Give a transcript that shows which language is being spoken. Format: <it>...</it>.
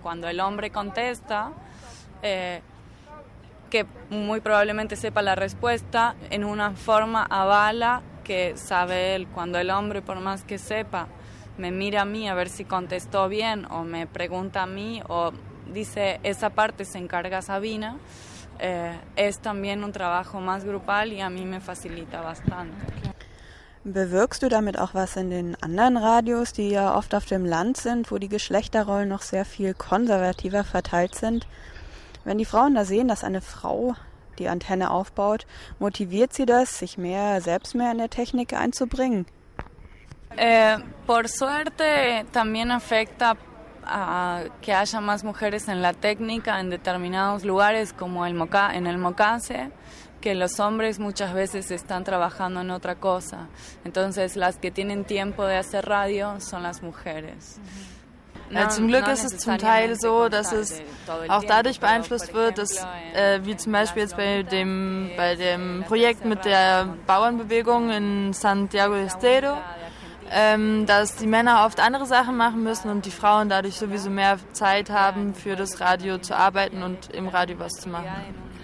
<es>Cuando el hombre contesta, que muy probablemente sepa la respuesta, en una forma avala que sabe él. Cuando el hombre, por más que sepa, me mira a mí a ver si contestó bien o me pregunta a mí o dice esa parte se encarga Sabina, es también un trabajo más grupal y a mí me facilita bastante.</es> <de>Bewirkst du damit auch was in den anderen Radios, die ja oft auf dem Land sind, wo die Geschlechterrollen noch sehr viel konservativer verteilt sind? Wenn die Frauen da sehen, dass eine Frau die Antenne aufbaut, motiviert sie das, sich selbst mehr in der Technik einzubringen?</de> <es>Por suerte también afecta a que haya más mujeres en la técnica en determinados lugares como en el Mocase, que los hombres muchas veces están trabajando en otra cosa. Entonces las que tienen tiempo de hacer radio son las mujeres.</es> <de>No, zum Glück ist es zum Teil so, dass es auch dadurch beeinflusst wird, dass, wie zum Beispiel jetzt bei dem Projekt mit der Bauernbewegung in Santiago del Estero, dass die Männer oft andere Sachen machen müssen und die Frauen dadurch sowieso mehr Zeit haben, für das Radio zu arbeiten und im Radio was zu machen.</de>